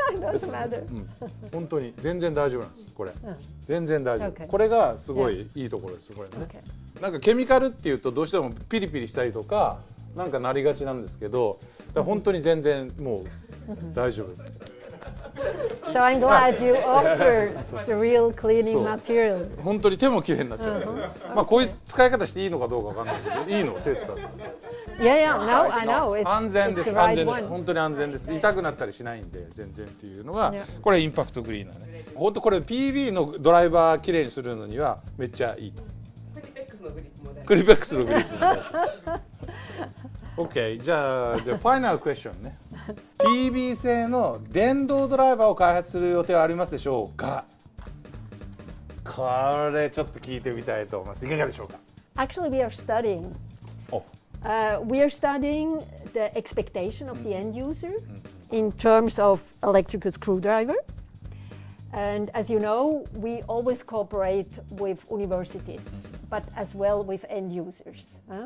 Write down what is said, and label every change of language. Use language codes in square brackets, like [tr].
[en] Doesn't matter. [ja] 本当に全然大丈夫なんです。これ。全然大丈夫。これがすごいいいところです。これね。なんかケミカルっていうとどうしてもピリピリしたりとかなんかなりがちなんですけど。だ本当に全然もう大丈夫。 [en] So I'm glad you offer the real cleaning material. [ja] 本当に手もきれいになっちゃう。まあこういう使い方していいのかどうかわかんないけど、いいの手使う。 [en] Yeah, yeah, no, I know. [ja] 安全です、安全です。本当に安全です。痛くなったりしないんで全然っていうのが、これインパクトクリーナーね。本当これ PB のドライバーきれいにするのにはめっちゃいいと。 X のグリップもクリペックスのグリップのやつ。OK、じゃあ、ファイナルクエスチョンね。 PB 製の電動ドライバーを開発する予定はありますでしょうか？これちょっと聞いてみたいと思います。いかがでしょうか？ [en] Actually, we are studying. We are studying the expectation of the end user in terms of electrical screwdriver. And as you know, we always cooperate with universities, but as well with end users.